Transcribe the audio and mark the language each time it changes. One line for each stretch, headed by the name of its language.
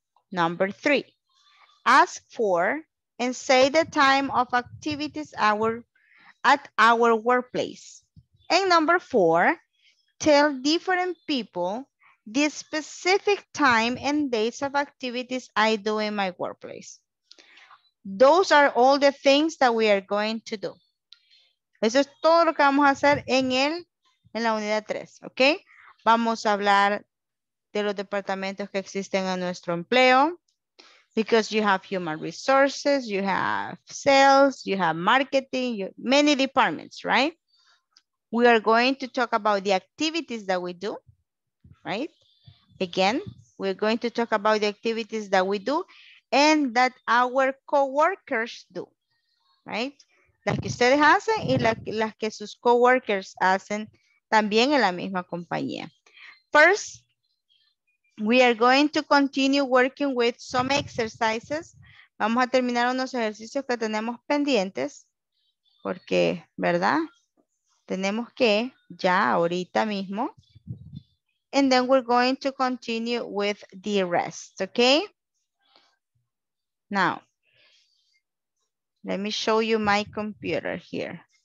English: Number 3, ask for and say the time of activities hour at our workplace. And number 4, tell different people the specific time and dates of activities I do in my workplace. Those are all the things that we are going to do.
Spanish: Eso es todo lo que vamos a hacer en la unidad 3, ¿ok? Vamos a hablar de los departamentos que existen en nuestro empleo,
English: because you have human resources, you have sales, you have marketing, many departments, right? We are going to talk about the activities that we do, right? Again, we're going to talk about the activities that we do and that our co-workers do, right?
Spanish: Las que ustedes hacen y las que sus coworkers hacen también en la misma compañía.
English: First, we are going to continue working with some exercises.
Spanish: Vamos a terminar unos ejercicios que tenemos pendientes porque, ¿verdad? Tenemos que ya ahorita mismo.
English: And then we're going to continue with the rest, okay? Now, let me show you my computer here.